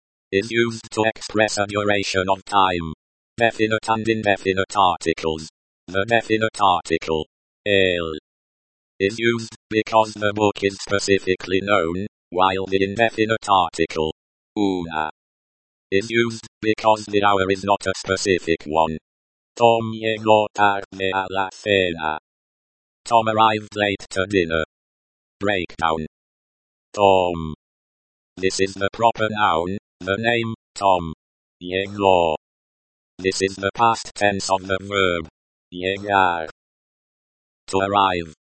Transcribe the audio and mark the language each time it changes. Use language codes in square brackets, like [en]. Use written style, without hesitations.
[en] Is used to express a duration of time. Definite and indefinite articles. The definite article, el, is used because the book is specifically known, while the indefinite article, una, is used because the hour is not a specific one. [es] Tom llegó tarde a la cena. [en] Tom arrived late to dinner. Breakdown. Tom. This is the proper noun. The name, Tom. Llegó This is the past tense of the verb, llegar, to arrive.